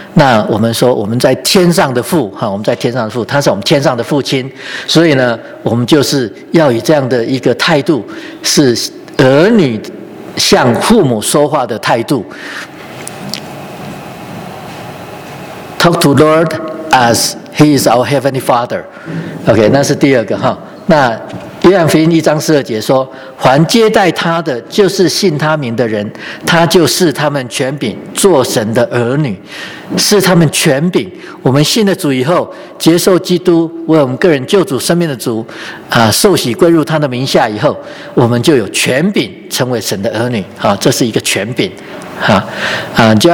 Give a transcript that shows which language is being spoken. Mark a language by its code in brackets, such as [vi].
[zh] 那我们说我们在天上的父哈，我们在天上的父，他是我们天上的父亲，所以呢，我们就是要以这样的一个态度，是儿女向父母说话的态度。 [en] Talk to Lord as He is our Heavenly Father. [zh] OK, 那是第二个哈。那约翰福音1:12说，凡接待他的，就是信他名的人，他就是他们权柄做神的儿女，是他们权柄。我们信了主以后，接受基督为我们个人救主生命的主受洗归入他的名下以后，我们就有权柄成为神的儿女啊，这是一个权柄啊。